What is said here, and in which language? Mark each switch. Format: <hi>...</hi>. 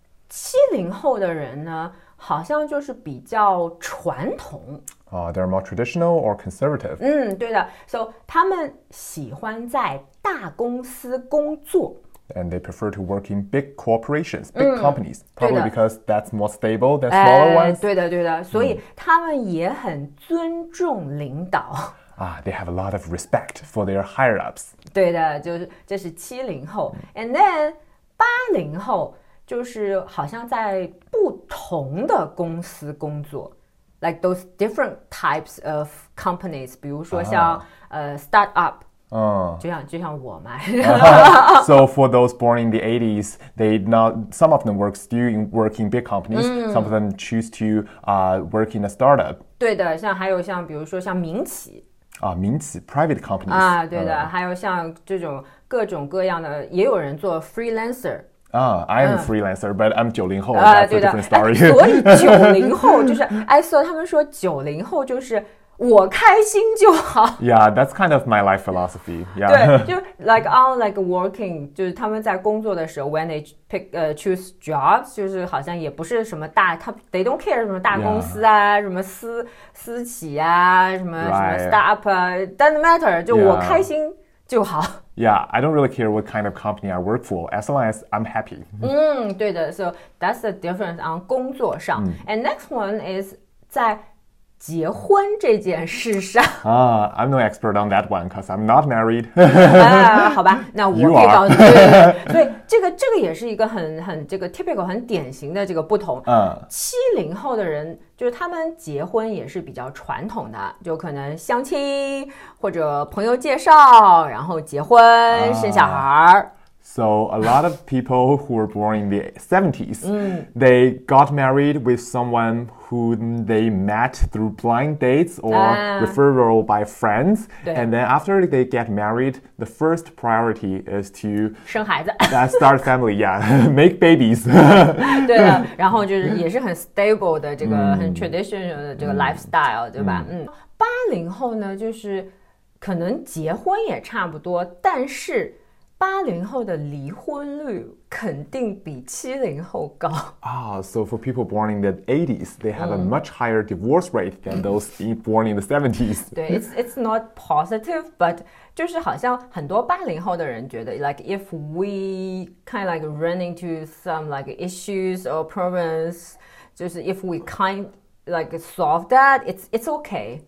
<zh>70后的人呢好像就是比较传统。</zh> <en>They're more traditional or conservative.</en> <zh>对的。 So, 他们喜欢在大公司工作。</zh> <en>And they prefer to work in big corporations, big companies. Probably because that's more stable than smaller ones.</en> <zh>对的对的。所以他们也很尊重领导。</zh> <en>They have a lot of respect for their higher-ups.</en> <zh>对的，就是这是70后。</zh> <en>And then,</en> <zh>80后。就是好像在不同的公司工作</zh> <en>like those different types of companies</en> <zh>比如说像、startup、就像我嘛、</zh> <en>So for those born in the 80s they not, some of them work still in working big companies、some of them choose to、work in a startup</en> <zh>对的像还有像比如说像民企民企</zh> <en>private companies</en> <zh>对的、还有像这种各种各样的也有人做 freelancer</zh> <en>I'm a freelancer, but I'm 90后 that's a different story.</en> <zh>所以90后就是哎，所以他们说90后就是我开心就好。</zh> <en>Yeah, that's kind of my life philosophy. Yeah.</en> <zh>对，就</zh> <en>like on like working,</en> <zh>就是他们在工作的时候</zh> <en>when they pick, choose jobs,</en> <zh>就是好像也不是什么大，他</zh> <en>they don't care</en> <zh>什么大公司啊， yeah. 什么私企啊，什么、</zh> <en>right.</en> <zh>什么 startup,</zh> <en>doesn't matter,</en> <zh>就我开心。Yeah. 就好。</zh> <en>Yeah, I don't really care what kind of company I work for. As long as I'm happy. 对的。So that's the difference on</en> <zh>工作上。</zh> <en>And next one is</en> <zh>在结婚这件事上。</zh> <en>I'm no expert on that one because I'm not married.</en> <zh>好吧，那我可以告诉你。</zh> <en>You are.</en> <zh>对, 对, 对，这个也是一个很这个 typical 很典型的这个不同。 70后的人就是他们结婚也是比较传统的，就可能相亲或者朋友介绍，然后结婚生小孩。</zh> <en>So a lot of people who were born in the 70s, they got married with someone whom they met through blind dates or referral by friends. And then after they get married, the first priority is to</en> <zh>生孩子</zh> <en>start family, yeah, make babies.</en> <zh>对的，然后就是也是很 stable 的这个很 traditional 的这个 lifestyle, 对吧？ 80后呢，就是可能结婚也差不多，但是80后的离婚率肯定比70后高。</zh> <en>So for people born in the 80s, they have a much higher divorce rate than those born in the 70s. 对, it's not positive, but</en> <zh>就是好像很多80后的人觉得</zh> <en>like if we kind of like run into some like issues or problems, 就是 if we kind like solve that, it's okay.</en>